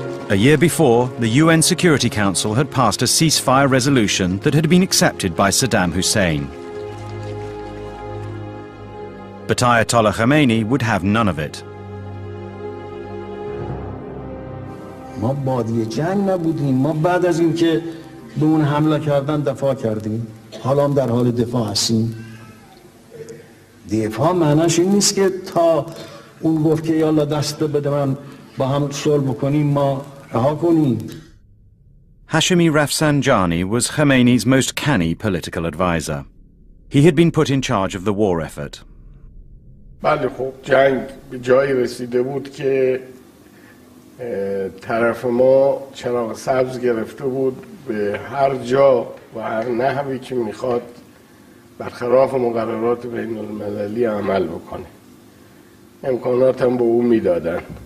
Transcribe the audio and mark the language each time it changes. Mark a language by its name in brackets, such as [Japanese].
[English] A year before, the UN Security Council had passed a ceasefire resolution that had been accepted by Saddam Hussein. But Ayatollah Khomeini would have none of it. [Persian] حالا هم در حال دفاع هستیم دفاع معناش این نیست که تا اون گفت که یالا دست بده من با هم صلح بکنیم ما رها کنیم [English] Hashemi Rafsanjani was Khomeini's most canny political advisor. He had been put in charge of the war effort. [Persian] بله خب جنگ به جایی رسیده بود که طرف ما چراغ سبز گرفته بود به هر جا و هر نحوی که میخواد برخلاف مقررات بین المللی عمل بکنه امکانات هم به او میدادن